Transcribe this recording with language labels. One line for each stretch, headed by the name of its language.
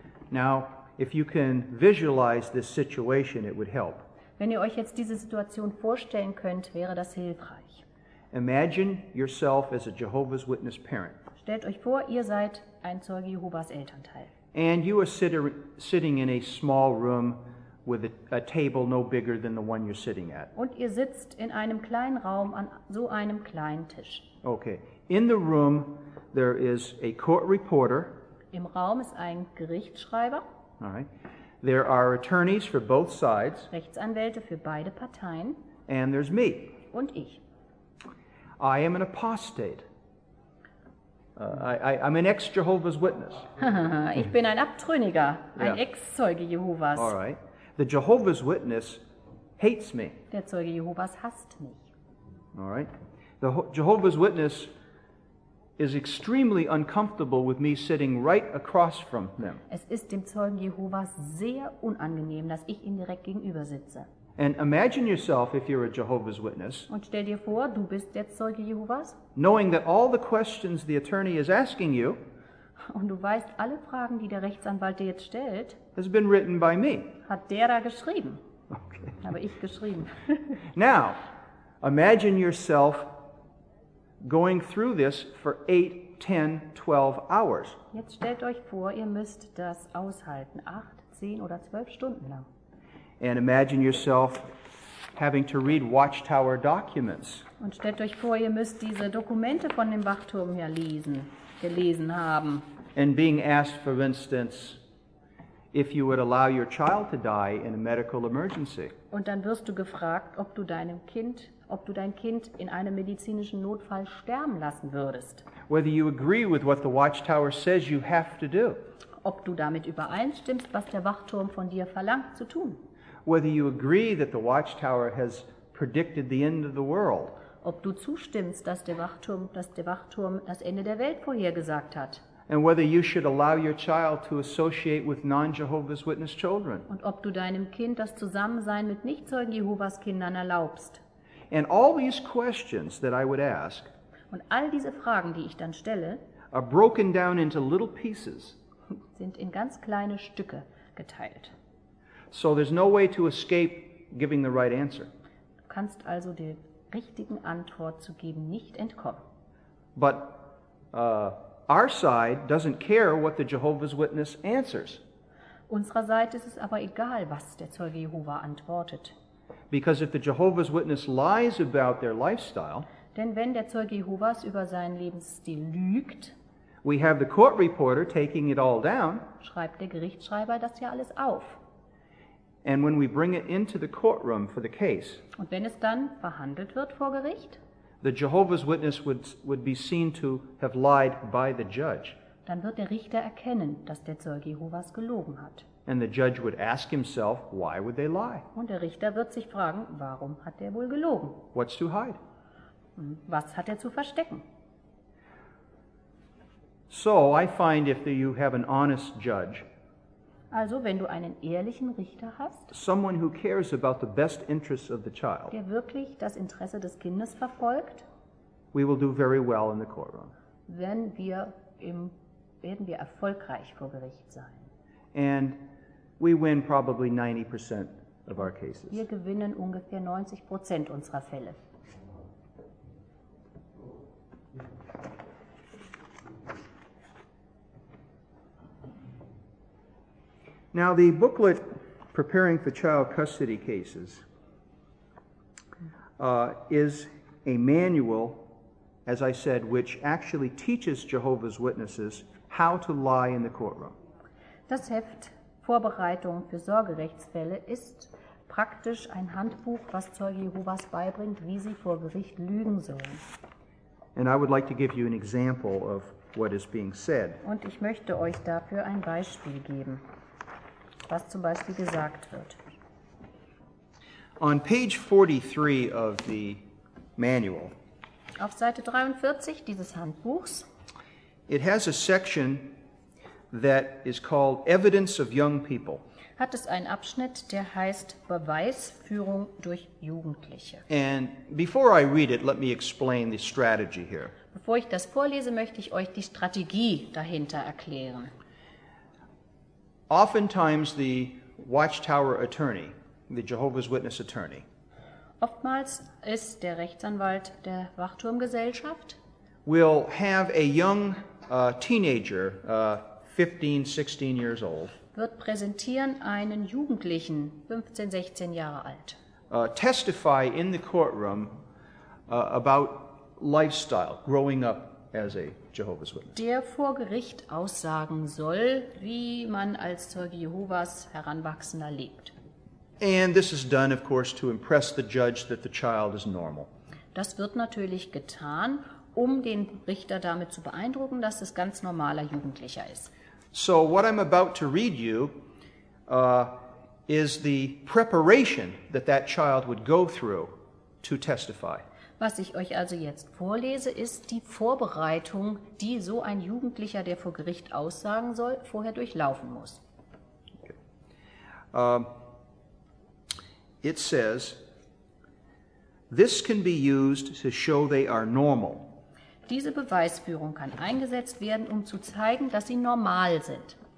English: Now, if you can visualize this situation, it would help.
German: Wenn ihr euch jetzt diese Situation vorstellen könnt, wäre das hilfreich.
English: Imagine yourself as a Jehovah's Witness parent.
German: Stellt euch vor, ihr seid ein Zeuge Jehovas Elternteil.
English: And you are sitting in a small room with a table no bigger than the one you're sitting at.
German: Und ihr sitzt in einem kleinen Raum an so einem kleinen Tisch.
English: Okay. In the room there is a court reporter.
German: Im Raum ist ein Gerichtsschreiber.
English: All right. There are attorneys for both sides.
German: Rechtsanwälte für beide Parteien.
English: And there's me.
German: Und ich.
English: I am an apostate. I'm an ex-Jehovah's Witness.
German: Ich bin ein Abtrünniger, ein Ex-Zeuge Jehovas.
English: All right. The Jehovah's Witness hates me.
German: Der Zeuge Jehovas hasst mich.
English: All right. The Jehovah's Witness is extremely uncomfortable with me sitting right across from them.
German: Es ist dem Zeugen Jehovas sehr unangenehm, dass ich ihm direkt gegenüber sitze.
English: And imagine yourself if you're a Jehovah's Witness.
German: Und stell dir vor, du bist der Zeuge Jehovas.
English: Knowing that all the questions the attorney is asking you.
German: Und du weißt, alle Fragen, die der Rechtsanwalt dir jetzt stellt,
English: has been written by me.
German: Hat der da geschrieben.
English: Okay.
German: Habe ich geschrieben.
English: Now, imagine yourself going through this for 8, 10, 12 hours.
German: Jetzt stellt euch vor, ihr müsst das aushalten, 8, 10 oder 12 Stunden lang.
English: And imagine yourself having to read Watchtower documents.
German: Und stellt euch vor, ihr müsst diese Dokumente von dem Wachturm hier gelesen haben.
English: And being asked, for instance, if you would allow your child to die in a medical emergency.
German: Und dann wirst du gefragt, ob du dein Kind in einem medizinischen Notfall sterben lassen würdest.
English: Whether you agree with what the Watchtower says you have to do.
German: Ob du damit übereinstimmst, was der Wachturm von dir verlangt zu tun.
English: Whether you agree that the Watchtower has predicted the end of the world.
German: Ob du zustimmst, dass der Wachturm das Ende der Welt vorhergesagt hat.
English: And whether you should allow your child to associate with non-Jehovah's Witness children.
German: Und ob du deinem Kind das Zusammensein mit Nichtzeugen Jehovas Kindern erlaubst.
English: And all these questions that I would ask.
German: Und all diese Fragen, die ich dann stelle,
English: are broken down into little pieces.
German: Sind in ganz kleine Stücke geteilt.
English: So there's no way to escape giving the right answer.
German: Du kannst also der richtigen Antwort zu geben nicht entkommen.
English: But our side doesn't care what the Jehovah's Witness answers.
German: Unserer Seite ist es aber egal, was der Zeuge Jehova antwortet.
English: Because if the Jehovah's Witness lies about their lifestyle,
German: denn wenn der Zeuge Jehovas über seinen Lebensstil lügt,
English: we have the court reporter taking it all down,
German: schreibt der Gerichtsschreiber das ja alles auf.
English: And when we bring it into the courtroom for the case,
German: und wenn es dann verhandelt wird vor Gericht,
English: the Jehovah's Witness would be seen to have lied by the judge.
German: Dann wird der Richter erkennen, dass der Zeuge Jehovas gelogen hat.
English: And the judge would ask himself, why would they lie?
German: Und der Richter wird sich fragen, warum hat der wohl gelogen?
English: What's to hide?
German: Was hat er zu verstecken?
English: So I find if you have an honest judge,
German: also wenn du einen ehrlichen Richter hast,
English: someone who cares about the best interests of the child,
German: der wirklich das Interesse des Kindes verfolgt,
English: we will do very well in the courtroom.
German: Wenn wir im werden wir erfolgreich vor Gericht sein.
English: And we win probably 90% of our cases.
German: Wir gewinnen ungefähr 90% unserer Fälle.
English: Now the booklet preparing for child custody cases is a manual, as I said, which actually teaches Jehovah's Witnesses how to lie in the courtroom.
German: Das Heft Vorbereitung für Sorgerechtsfälle ist praktisch ein Handbuch, was Zeuge Jehovas beibringt, wie sie vor Gericht lügen sollen.
English: And I would like to give you an example of what is being said.
German: Und ich möchte euch dafür ein Beispiel geben, was zum Beispiel gesagt wird.
English: On page 43 of the manual.
German: Auf Seite 43 dieses Handbuchs.
English: It has a section that is called Evidence of Young People.
German: Hat es einen Abschnitt, der heißt Beweisführung durch Jugendliche.
English: And before I read it, let me explain the strategy here.
German: Bevor ich das vorlese, möchte ich euch die Strategie dahinter erklären.
English: Oftentimes the Watchtower attorney, the Jehovah's Witness attorney.
German: Oftmals ist der Rechtsanwalt der Wachturmgesellschaft.
English: Will have a young teenager, 15, 16 years old.
German: Wird präsentieren einen Jugendlichen, 15, 16 Jahre alt.
English: Testify in the courtroom about lifestyle, growing up as a Jehovah's Witness.
German: Der vor Gericht aussagen soll, wie man als Zeuge Jehovas Heranwachsender lebt.
English: And this is done, of course, to impress the judge that the child is normal.
German: Das wird natürlich getan, um den Richter damit zu beeindrucken, dass es ganz normaler Jugendlicher ist.
English: So what I'm about to read you is the preparation that that child would go through to testify.
German: Was ich euch also jetzt vorlese, ist die Vorbereitung, die so ein Jugendlicher, der vor Gericht aussagen soll, vorher durchlaufen muss.
English: Okay. It says, this can be used to show they are normal.
German: Diese Beweisführung kann eingesetzt werden, um zu zeigen, dass sie normal sind.